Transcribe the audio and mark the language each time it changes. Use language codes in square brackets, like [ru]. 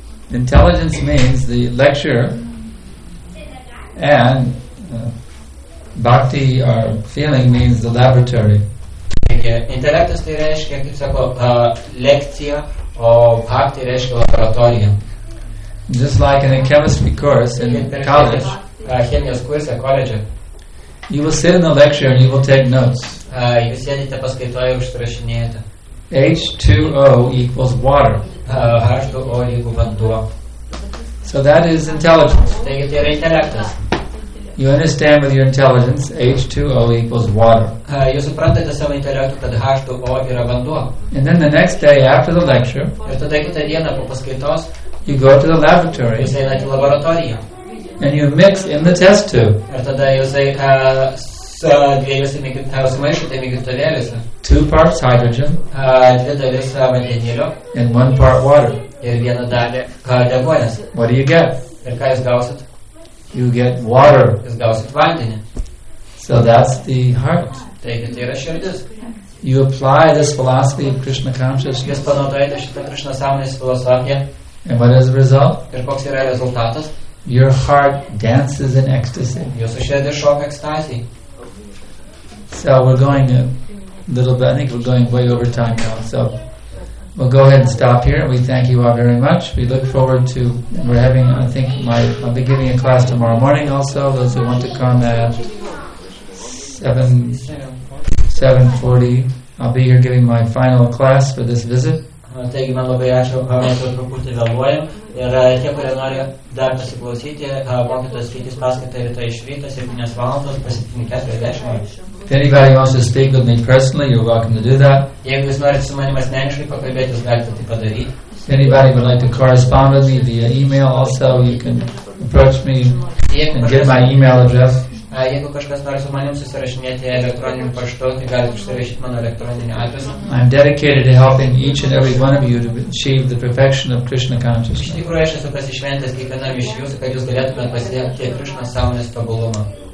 [en] Intelligence means the lecturer and Bhakti or feeling means the laboratory. [lt] Intelektas tai reiškia, kaip sako, lekcija, o bhakti reiškia laboratorija. [en] Just like in a chemistry course in college, [lt] chemijos kurse, koledže, [en] you will sit in the lecture and you will take notes. [lt] Jūs sėdite paskaitoje ir užsirašinėjate. [en] H2O equals water. [lt] H2O lygu vanduo. [en] So that is intelligence. [lt] Taigi tai yra intelektas. [en] You understand with your intelligence, H2O equals water. [lt] Jūs suprantate savo intelektu, kad H2O yra vanduo. [en] And then the next day after the lecture, [lt] ir tada kitą dieną po paskaitos, [en] you go to the laboratory. [lt] Jūs einate į laboratoriją. [en] And you mix in the test tube. [lt] Ir tada jūs dviejose sumaišote mėgintuvėliuose. [en] Two parts hydrogen. [lt] Dvi dalis vandenilio. [en] And one part water. [lt] Ir vieną dalį deguonies. [en] What do you get? [lt] Ir ką jūs gausit? [en] You get water. [lt] Jūs gausit vandenį. [en] So that's the heart. [lt] Taigi tai yra širdis. [en] You apply this philosophy of Krishna consciousness. [lt] Jūs panaudojate šitą Krishna sąmonės filosofiją. [en] And what is the result? [lt] Ir koks yra rezultatas? [en] Your heart dances in ecstasy. [lt] Jūsų širdis šoka ekstazijai. [en] So we're going little bit. I think we're going way over time now, so we'll go ahead and stop here. We thank you all very much. We look forward to, we're having, I think I'll be giving a class tomorrow morning also, those who want to come at 7:40. I'll be here giving my final class for this visit. [lt] Taigi, man labai ačiū, mes jau truputį vėluojam. Ir tie, kurie nori dar pasiklausyti, mokytojas skaitys paskaitą ir tai iš ryto, 7 valandos, pasitinti 40. [en] If anybody wants to speak with me personally, you're welcome to do that. [lt] Jeigu jūs norite su manim asmeniškai pakalbėti, jūs galite tai padaryti. [en] If anybody would like to correspond with me via email also, you can approach me and get my email address. [lt] Jeigu kažkas nori su manim susirašinėti elektroniniu paštu, tai galite užsirašyti mano elektroninį adresą. [en] I'm dedicated to helping each and every one of you to achieve the perfection of Krishna consciousness. [lt] Iš tikrųjų, aš esu pasišventęs kiekvienam iš jūsų, kad jūs galėtumėte pasiekti Krishna sąmonės tobulumą.